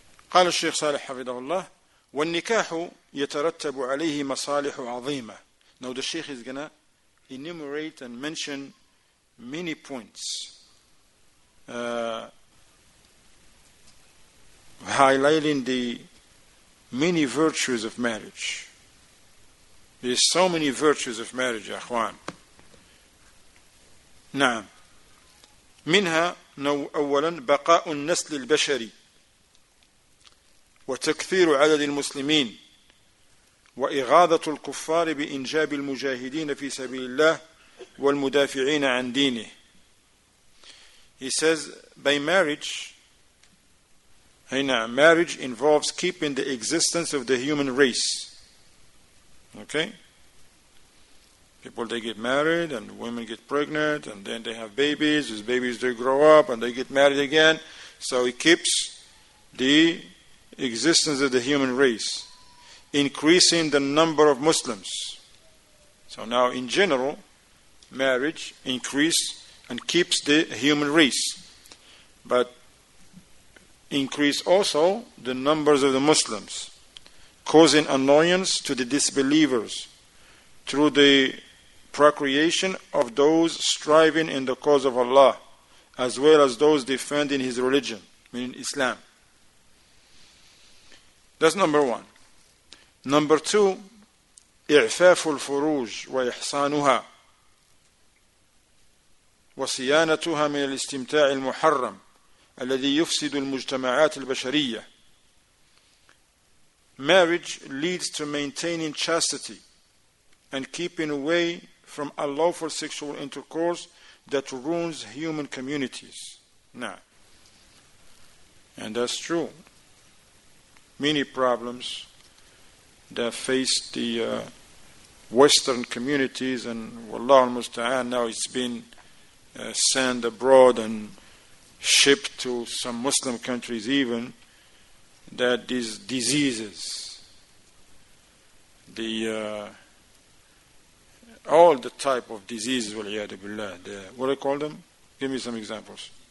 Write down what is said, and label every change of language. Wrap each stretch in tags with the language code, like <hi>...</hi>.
<ar>قال الشيخ صالح حفظه الله والنكاح يترتب عليه مصالح عظيمة.</ar> <en>Now the sheikh is going to enumerate and mention many points. Highlighting the many virtues of marriage. There's so many virtues of marriage, أخوان.</en> <ar>نعم. منها أولا بقاء النسل البشري وتكثير عدد المسلمين وإغاظة الكفار بإنجاب المجاهدين في سبيل الله والمدافعين عن دينه.</ar> <en>He says, by marriage, marriage involves keeping the existence of the human race. Okay? People, they get married and women get pregnant and then they have babies. These babies, they grow up and they get married again. So it keeps the existence of the human race, increasing the number of Muslims. So now, in general, marriage increases and keeps the human race. But increase also the numbers of the Muslims, causing annoyance to the disbelievers through the procreation of those striving in the cause of Allah, as well as those defending his religion, meaning Islam. That's number one.</en> <ar>Number two, إعفاف الفروج وإحصانها وصيانتها من الاستمتاع المحرم الذي يفسد المجتمعات البشرية.</ar> <en>Marriage leads to maintaining chastity and keeping away from unlawful sexual intercourse that ruins human communities. Now, and that's true. Many problems that face the Western communities, and wallah al-musta'an, now it's been sent abroad and shipped to some Muslim countries even, that these diseases, all the type of diseases, waliyadu billah, what do you call them? Give me some examples.</en>